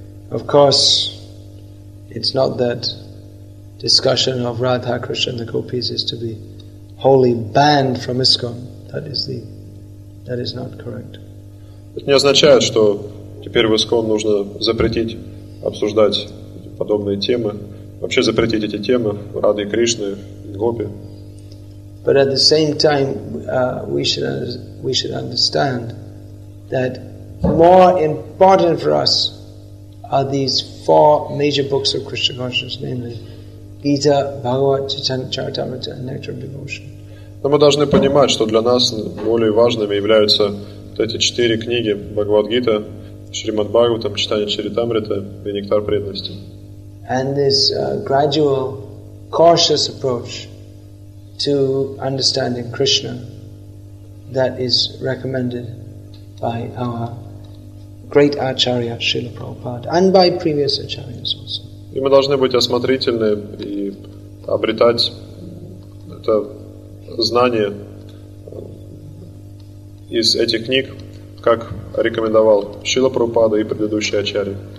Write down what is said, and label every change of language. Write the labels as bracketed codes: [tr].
[en] Of course, it's not that discussion of Radha Krishna and the gopis is to be wholly banned from ISKCON. That is not correct. [ru] Это не означает, что теперь в ISKCON нужно запретить обсуждать подобные темы, вообще запретить эти темы Рады Кришны, гопи. [en] But at the same time, we should understand that more important for us are these four major books of Krishna consciousness, namely Gita, Bhagavad, Charitamrita, and Nectar of Devotion. [ru] Но мы должны понимать, что для нас более важными являются вот эти четыре книги: Бхагавад-гита, Шримад-Бхагаватам, Читание Чаритамрита и Нектар преданности. [en] And this gradual, cautious approach to understanding Krishna that is recommended by our great acharya Srila Prabhupada and by previous acharyas also. [ru] И мы должны быть осмотрительны и обретать это знание из этих книг, как рекомендовал Шрила Прабхупада и предыдущие ачарьи.